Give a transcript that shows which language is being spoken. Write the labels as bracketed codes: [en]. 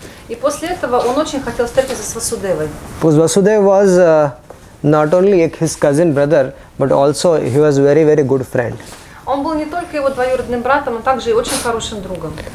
[ru] И после этого он очень хотел встретиться с Васудевой. [en] Because Vasudev was not only his cousin brother, but also he was very very good friend. [ru] Он был не только его двоюродным братом, а также и очень хорошим другом.